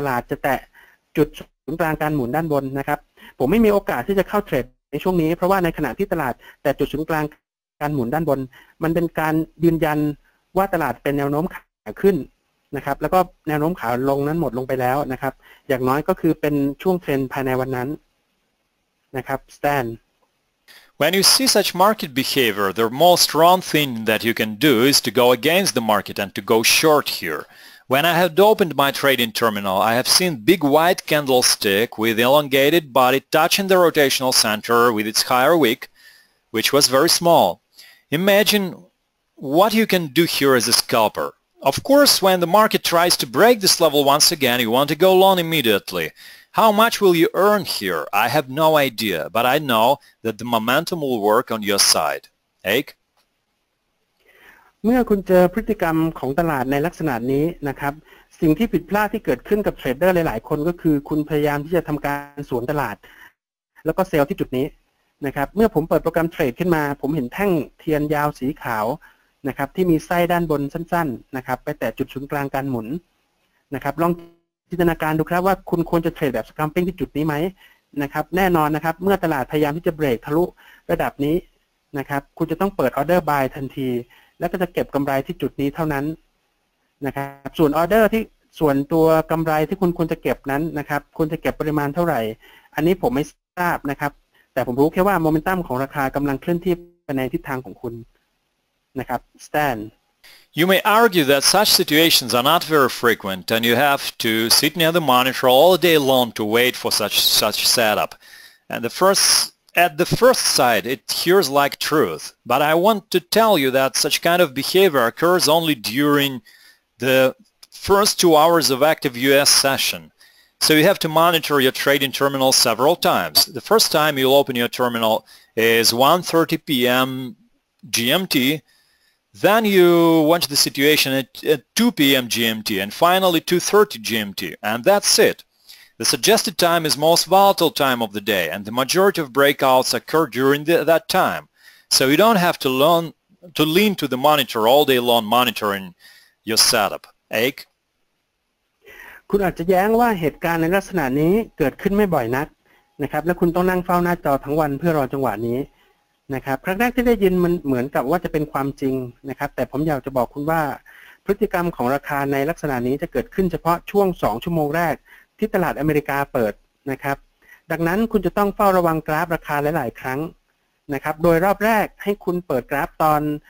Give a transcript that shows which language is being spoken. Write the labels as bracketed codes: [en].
[th] จะแตะจุดศูนย์กลางการหมุนด้านบนนะครับผมไม่มีโอกาสที่จะเข้าเทรดในช่วงนี้เพราะว่าในขณะที่ตลาดแตะจุดศูนย์กลางการหมุนด้านบนมันเป็นการยืนยันว่าตลาดเป็นแนวโน้มขาขึ้นนะครับแล้วก็แนวโน้มขาลงนั้นหมดลงไปแล้วนะครับอย่างน้อยก็คือเป็นช่วงเทรนด์ภายในวันนั้นนะครับ stand [en] when you see such market behavior the most wrong thing that you can do is to go against the market and to go short here when I had opened my trading terminal I have seen big white candlestick with elongated body touching the rotational center with its higher wick which was very small imagine what you can do here as a scalperOf course, when the market tries to break this level once again, you want to go long immediately. How much will you earn here? I have no idea, but I know that the momentum will work on your side. Ake? [th] เมื่อคุณเจอพฤติกรรมของตลาดในลักษณะนี้นะครับสิ่งที่ผิดพลาดที่เกิดขึ้นกับเทรดเดอร์หลายๆคนก็คือคุณพยายามที่จะทำการสวนตลาด แล้วก็เซลล์ที่จุดนี้นะครับเมื่อผมเปิดโปรแกรมเทรดขึ้นมาผมเห็นแท่งเทียนยาวสีขาวนะครับที่มีไส้ด้านบนสั้นๆนะครับไปแต่จุดศูนย์กลางการหมุนนะครับลองจินตนาการดูครับว่าคุณควรจะเทรดแบบ scalping ที่จุดนี้ไหมนะครับแน่นอนนะครับเมื่อตลาดพยายามที่จะเบรกทะลุระดับนี้นะครับคุณจะต้องเปิดออเดอร์ buy ทันทีแล้วก็จะเก็บกำไรที่จุดนี้เท่านั้น นะครับส่วนออเดอร์ที่ส่วนตัวกำไรที่คุณควรจะเก็บนั้นนะครับคุณจะเก็บปริมาณเท่าไหร่อันนี้ผมไม่ทราบนะครับแต่ผมรู้แค่ว่าโมเมนตัมของราคากำลังเคลื่อนที่ไปในทิศทางของคุณนะครับ stand [en] you may argue that such situations are not very frequent and you have to sit near the monitor all day long to wait for such setup and at the first sight it hears like truth but I want to tell you that such kind of behavior occurs only during the first 2 hours of active US session so you have to monitor your trading terminal several times the first time you'll open your terminal is 1:30 p.m. GMT Then you watch the situation at 2 p.m. GMT and finally 2:30 GMT, and that's it. The suggested time is most volatile time of the day, and the majority of breakouts occur during that time. So you don't have to learn to lean to the monitor all day long monitoring your setup. Ake? [th] คุณอาจจะแย้งว่าเหตุการณ์ในลักษณะนี้เกิดขึ้นไม่บ่อยนักนะครับและคุณต้องนั่งเฝ้าหน้าจอทั้งวันเพื่อรอจังหวะนี้นะครับครั้งแรกที่ได้ยินมันเหมือนกับว่าจะเป็นความจริงนะครับแต่ผมอยากจะบอกคุณว่าพฤติกรรมของราคาในลักษณะนี้จะเกิดขึ้นเฉพาะช่วง2ชั่วโมงแรกที่ตลาดอเมริกาเปิดนะครับดังนั้นคุณจะต้องเฝ้าระวังกราฟราคาหลายๆครั้งนะครับโดยรอบแรกให้คุณเปิดกราฟตอน